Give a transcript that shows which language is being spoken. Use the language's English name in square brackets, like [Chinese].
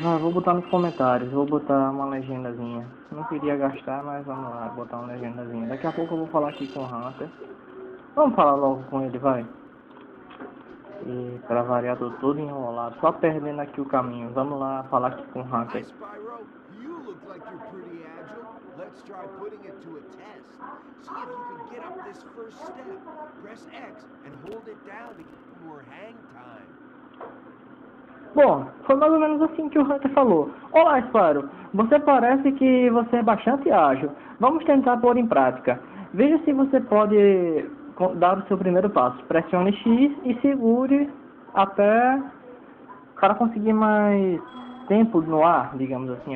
[Portuguese] Ah, vou botar nos comentários. Vou botar uma legendazinha. Não queria gastar, mas vamos lá, botar uma legendazinha. Daqui a pouco eu vou falar aqui com o Hunter. Vamos falar logo com ele, vai. E pra variar, tô todo enrolado, só perdendo aqui o caminho. Vamos lá falar aqui com o Hunter. [English] Spyro, you look like you're pretty agile. Let's try putting it to a test. See if you can get up this first step. Press X and hold it down to get more hang time. [Portuguese] Bom, foi mais ou menos assim que o Hunter falou. Olá, Spyro. Você parece que você é bastante ágil. Vamos tentar pôr em prática. Veja se você pode dar o seu primeiro passo. Pressione X e segure até para conseguir mais tempo no ar, digamos assim.